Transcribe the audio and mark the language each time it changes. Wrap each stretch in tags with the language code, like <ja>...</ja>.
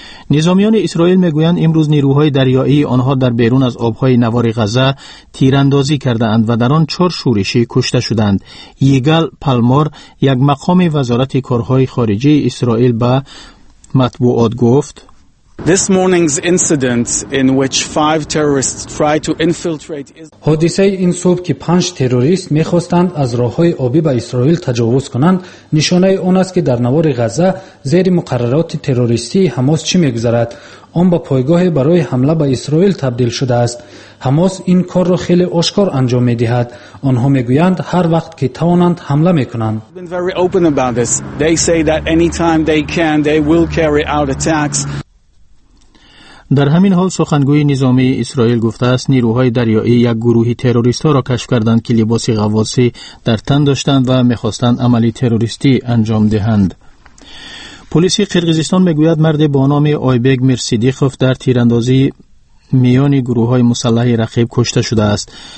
<fa>نظامیان اسرائیل میگویند امروز نیروهای دریایی آنها در بیرون از آبهای نوار غزه تیراندازی کرده اند و در آن 4 شورشی کشته شدند. یگل پالمر، یک مقام وزارت کارهای خارجه اسرائیل، به مطبوعات گفت:</fa> <en>This morning's incident in which 5 terrorists tried to infiltrate Israel.</en> <fa>حادثه این صبح که 5 تروریست می‌خواستند از راه‌های آبی به اسرائیل تجاوز کنند، نشانه آن است که در نوار غزه زیر مقررات تروریستی حماس چی می‌گذرد. آن با پایگاه برای حمله به اسرائیل تبدیل شده است. حماس این کار را خیلی آشکار انجام می‌دهد. آنها می‌گویند هر وقت که توانند حمله می‌کنند.</fa> <en>They say that anytime they can they will carry out attacks.</en> <fa>در همین حال سخنگوی نظامی اسرائیل گفته است نیروهای دریایی یک گروه تروریست‌ها را کشف کردند که لباس غواصی در تن داشتند و می‌خواستند عملی تروریستی انجام دهند. پلیس قرقیزستان می‌گوید مردی با نام آیبگ میرصدیقوف در تیراندازی میان گروه‌های مسلح رقیب کشته شده است.</fa>